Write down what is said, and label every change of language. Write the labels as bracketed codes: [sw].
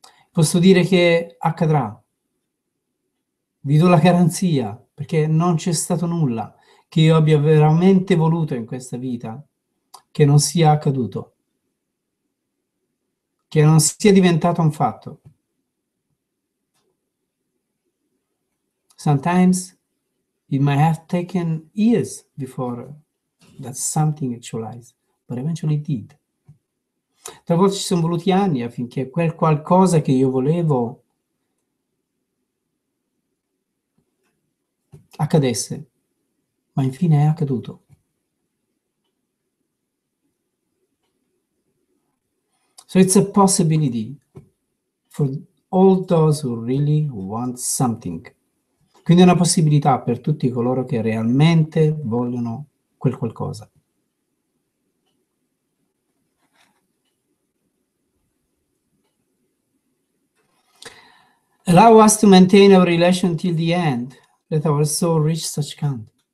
[it] Posso dire che accadrà. Vi do la garanzia, perché non c'è stato nulla che io abbia veramente voluto in questa vita che non sia accaduto, che non sia diventato un fatto. [en] Sometimes it might have taken years before that something actualized, but eventually it did. [it] Talvolta ci sono voluti anni affinché quel qualcosa che io volevo accadesse, ma infine è accaduto. [en] So it's a possibility for all those who really want something. [it] Quindi è una possibilità per tutti coloro che realmente vogliono quel qualcosa. [en] Allow us to maintain our relation till the end, let our soul reach such kind.